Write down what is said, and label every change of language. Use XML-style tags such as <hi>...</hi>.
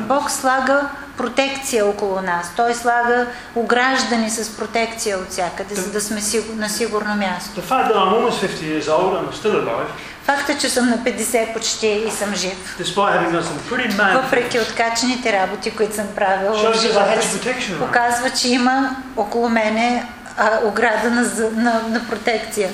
<bg>Бог слага протекция около нас. Той слага ограждани с протекция от всякъде, за да сме на сигурно място.</bg> <en>The fact that I'm almost 50 years old and I'm still alive.</en> <bg>Факта, че съм на 50 почти и съм жив. Въпреки откачените работи, които съм правил, показва, че има около мене ограда на протекция.</bg>